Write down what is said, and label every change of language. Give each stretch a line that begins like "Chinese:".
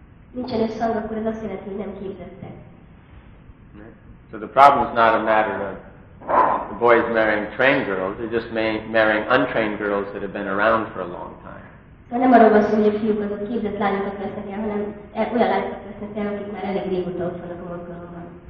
Hungarian: Nincsen összhang, akkor ez azt jelenti, hogy nem képzettek.
English: So the problem is not a matter of the boys marrying trained girls, they're just marrying untrained girls that have been around for a long time.
Hungarian: So nem arról van szó, hogy a fiúk azok képzett lányokat vesznek el, hanem olyan lányokat vesznek el, akik már elég régóta ott vannak a mozgalomban.